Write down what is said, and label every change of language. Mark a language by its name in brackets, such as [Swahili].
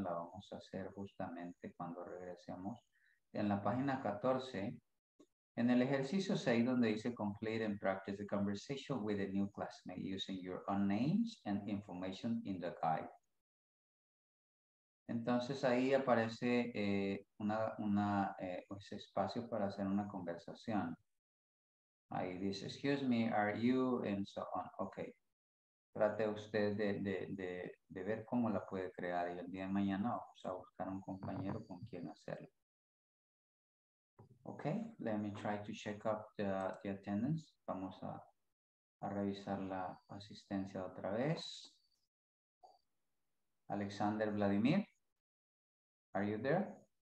[Spanish] La vamos a hacer justamente cuando regresemos. En la página 14, en el ejercicio 6, donde dice [English] complete and practice the conversation with a new classmate using your own names and information in the guide. [Spanish] Entonces ahí aparece ese espacio para hacer una conversación. Ahí dice, [English] excuse me, are you, and so on. Ok. [Spanish] Trate usted de ver cómo la puede crear. Y el día de mañana vamos a buscar un compañero con quien hacerlo. [English] Ok, let me try to check up the attendance. [Spanish] Vamos a revisar la asistencia otra vez. [English] Alexander Vladimir. Are you there?